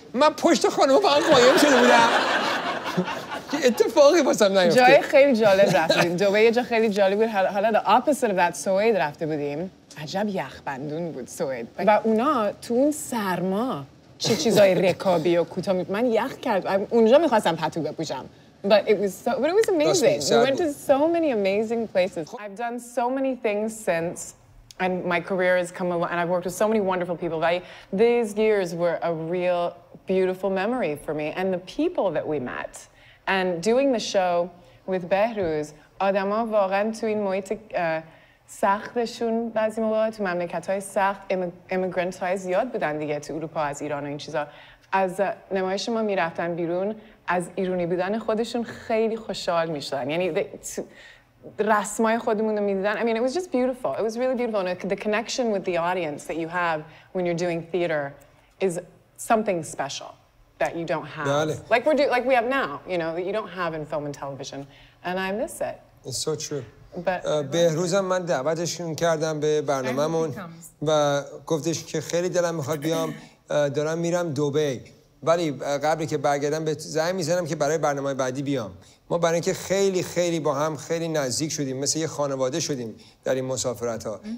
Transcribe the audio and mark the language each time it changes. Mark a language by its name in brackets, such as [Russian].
[Persian] من پشت خانوما با هم قایم شده بودم اتفاقی واسم نیفته. جای خیلی جالب رفتیم دوبه، یه جا خیلی جالب بود. حالا [English] the opposite of that [Persian] سوید رفته بودیم، عجب یخبندون بود سوید، و اونا تو اون سرما چه چیزای رکابی و کوتاه می... من یخ کرد اونجا میخواستم پتو بپوشم. [English] But it was so, but it was amazing. We went to so many amazing places. I've done so many things since, and my career has come along, and I've worked with so many wonderful people. But these years were a real beautiful memory for me, and the people that we met, and doing the show with Behruz. [Persian] آدم ها واقعا تو این محیط سختشون بعضی موقع تو مملکت های سخت امیگرنت های زیاد بودن دیگه تو اروپا از ایران و این چیزا. از نمایش ما میرفتن بیرون از ایرونی بودن خودشون خیلی خوشحال میشدن، یعنی رسمای خودمون رو میدیدن. [English] I mean it was just beautiful, it was really beautiful. And the connection with the audience that you have when you're doing theater is something special that you don't have. [Persian] بله. [English] Like we're like we have now, you know, that you don't have in film and television, and I miss it. It's so true. [Persian] بهروزم من دعوتشون کردم به برنامه‌مون و گفتش که خیلی دلم میخواد بیام، دارم میرم دبی، ولی قبلی که برگردم به زنگ میزنم که برای برنامه بعدی بیام. ما برای اینکه خیلی خیلی با هم خیلی نزدیک شدیم، مثل یه خانواده شدیم در این مسافرت ها.